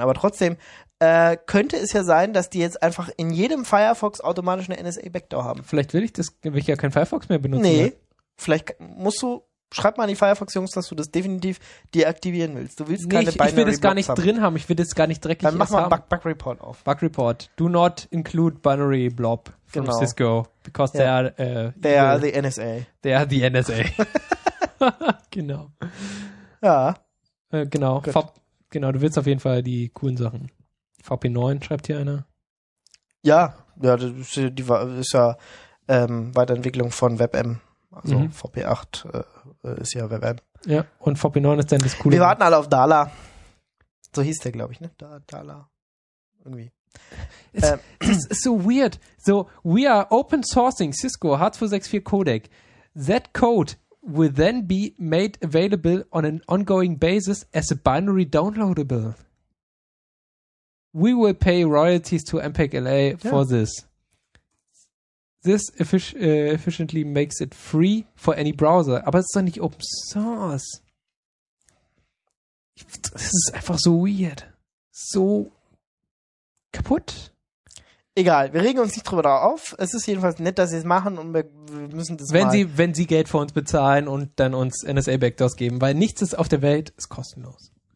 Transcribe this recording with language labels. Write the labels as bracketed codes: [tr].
[de] Aber trotzdem könnte es ja sein, dass die jetzt einfach in jedem Firefox automatisch eine NSA-Backdoor haben. Vielleicht will ich ja kein Firefox mehr benutzen. Nee, vielleicht musst du, schreib mal an die Firefox-Jungs, dass du das definitiv deaktivieren willst. Du willst keine Binary-Blobs haben. Ich will das gar nicht drin haben, ich will das gar nicht dreckig haben. Dann mach mal Bug-Report auf. [en] Bug-Report, do not include Binary-Blob. From Cisco, because they are the NSA. [de] Genau. Ja. Genau. Genau, du willst auf jeden Fall die coolen Sachen. VP9 schreibt hier einer. Ja, ja, das ist ja Weiterentwicklung von WebM. Also VP8 ist ja WebM. Ja, und VP9 ist dann das coole. Wir warten alle auf Dala. So hieß der, glaube ich, ne? Dala. Irgendwie. [en] It's so weird. So, we are open sourcing Cisco H264 codec. That code will then be made available on an ongoing basis as a binary downloadable. We will pay royalties to MPEG-LA for this. This efficiently makes it free for any browser. [de] Aber es ist doch nicht open source. Das ist einfach so weird. So kaputt. Egal, wir regen uns nicht drüber da auf. Es ist jedenfalls nett, dass sie es machen und wir müssen das wenn mal... Wenn sie Geld für uns bezahlen und dann uns NSA-Backdoors geben, weil nichts ist auf der Welt, ist kostenlos.